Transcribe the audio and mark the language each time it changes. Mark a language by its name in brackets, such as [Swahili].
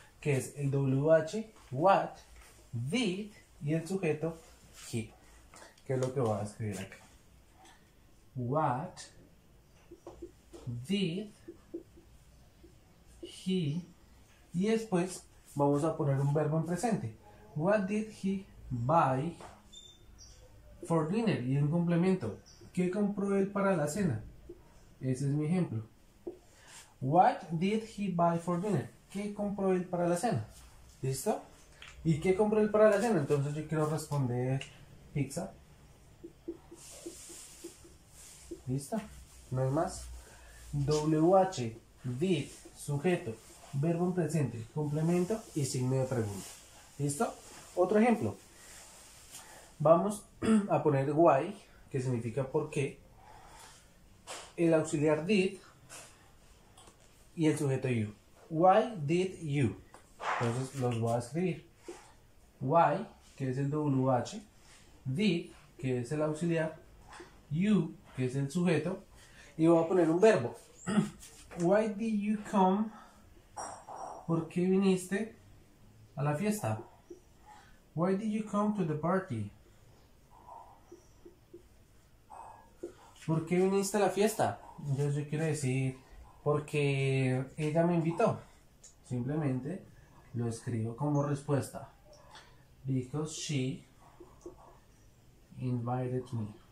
[Spanish] Que es el WH [English] what did [Spanish] y el sujeto he, que es lo que voy a escribir acá. [English] What did he, [Spanish] y después vamos a poner un verbo en presente. [English] What did he buy for dinner? [Spanish] Y un complemento. ¿Qué compró él para la cena? Ese es mi ejemplo. [English] What did he buy for dinner? [Spanish] ¿Qué compró él para la cena? ¿Listo? ¿Y qué compró él para la cena? Entonces yo quiero responder pizza. ¿Listo? No hay más. WH, did, sujeto, verbo en presente, complemento y signo de pregunta. ¿Listo? Otro ejemplo. Vamos a poner why, que significa por qué. El auxiliar did y el sujeto you. [English] Why did you? [Spanish] Entonces los voy a escribir. Why, que es el WH, did, que es el auxiliar, you, que es el sujeto, y voy a poner un verbo. [English] Why did you come? [Spanish] ¿Por qué viniste a la fiesta? [English] Why did you come to the party? [Spanish] ¿Por qué viniste a la fiesta? Entonces yo quiero decir, porque ella me invitó. Simplemente lo escribo como respuesta. [English] Because she invited me.